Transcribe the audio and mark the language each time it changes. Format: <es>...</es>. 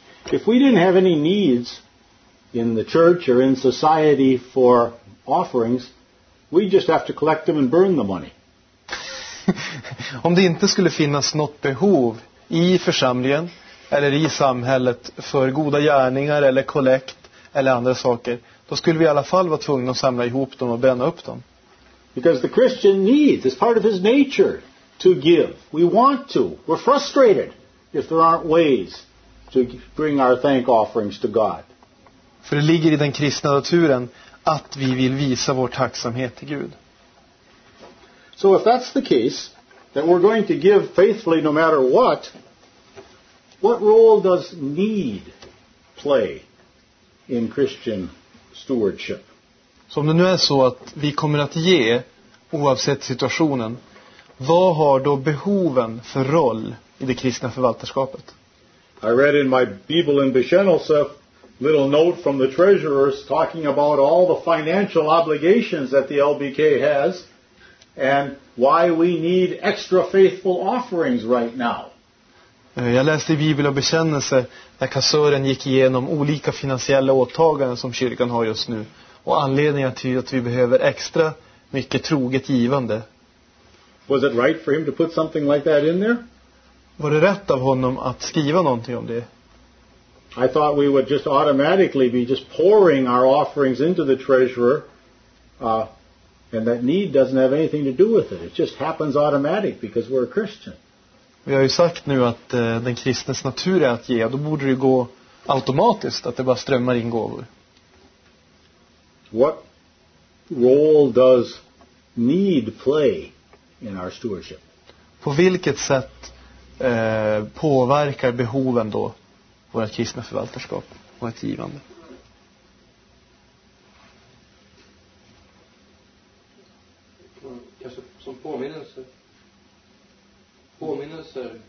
<en>If we didn't have any needs in the church or in society for offerings, we just have to collect them and burn the money.</en> <sv>Om det inte skulle finnas något behov i församlingen eller i samhället för goda gärningar eller kollekt eller andra saker, då skulle vi i alla fall vara tvungna att samla ihop dem och bränna upp dem.</sv> <en>Because the Christian needs, it's part of his nature to give. We want to. We're frustrated if there aren't ways to bring our thank offerings to God.</en> <sv>För det ligger i den kristna naturen att vi vill visa vår tacksamhet till Gud.</sv> <en>So if that's the case, then we're going to give faithfully no matter what. What role does need play in Christian stewardship?</en> <sv>Så om det nu är så att vi kommer att ge oavsett situationen, vad har då behoven för roll i det kristna förvaltarskapet?</sv> <en>I read in my Bible in Bishenelsef little note from the treasurers talking about all the financial obligations that the LBK has and why we need extra faithful offerings right now.</en> <sv>Jag läste i Bibel och bekännelse när kassören gick igenom olika finansiella åtaganden som kyrkan har just nu och anledningen till att vi behöver extra mycket troget givande.</sv> <en>Was it right for him to put something like that in there?</en> <sv>Var det rätt av honom att skriva någonting om det?</sv> <en>I thought we would just automatically be just pouring our offerings into the treasurer and that need doesn't have anything to do with it. It just happens automatic because we're a Christian.</en> <sv>Vi har ju sagt nu att den kristnes natur är att ge. Då borde det ju gå automatiskt att det bara strömmar in gåvor. What role does need play in our stewardship? På vilket sätt påverkar behoven då vårt kristna förvaltarskap och ett givande? Kanske som påminnelse. Påminnelse.</sv>